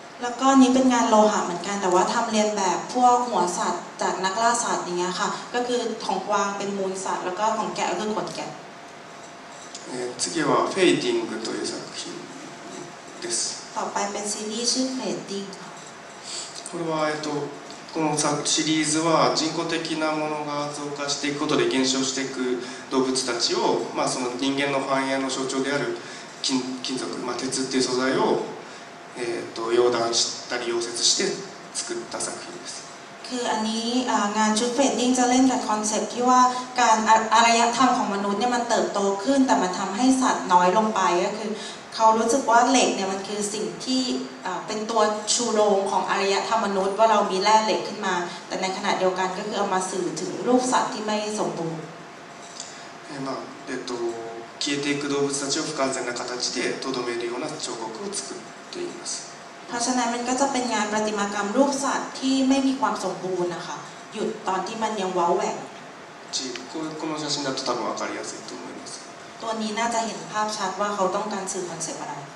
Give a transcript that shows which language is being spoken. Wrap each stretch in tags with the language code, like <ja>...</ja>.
<th>แล้วก็นี้เป็นงานโลหะเหมือนกันแต่ว่าทำเรียนแบบพวกหัวสัตว์จากนักล่าสัตว์อย่างเงี้ยค่ะก็คือของกวางเป็นมูลสัตว์แล้วก็ของแกะก็คือขนแกะ</th> <ja>次はフェイティングという作品です</ja> <th>ต่อไปเป็นซีรีส์ชื่อフェイティング</th> <ja>これはこのシリーズは人工的なものが増加していくことで減少していく動物たちをまあその人間の繁栄の象徴である金属まあ鉄っていう素材を溶断したり溶接して作った作品です。</ja> <th>คืออันนี้งานชุดเฟดดิ้งจะเล่นกับคอนเซ็ปต์ที่ว่าการอารยธรรมของมนุษย์เนี่ยมันเติบโตขึ้นแต่มันทำให้สัตว์น้อยลงไปก็คือเขารู้สึกว่าเหล็กเนี่ยมันคือสิ่งที่เป็นตัวชูโรงของอารยธรรมมนุษย์ว่าเรามีแร่เหล็กขึ้นมาแต่ในขณะเดียวกันก็คือเอามาสื่อถึงรูปสัตว์ที่ไม่สมบูรณ์。</th> <ja>まあ消えていく動物たちを不完全な形でとどめるような彫刻を作る。</ja> <th>เพราะฉะนั้นมันก็จะเป็นงานประติมากรรมรูปสัตว์ที่ไม่มีความสมบูรณ์นะคะหยุดตอนที่มันยังว้าวแหว่ง จีคือ</th> <ja>この写真だと多分わかりやすいと思います</ja> <th>ตัวนี้น่าจะเห็นภาพชัดว่าเขาต้องการสื่อคอนเซ็ปต์อะไร</th>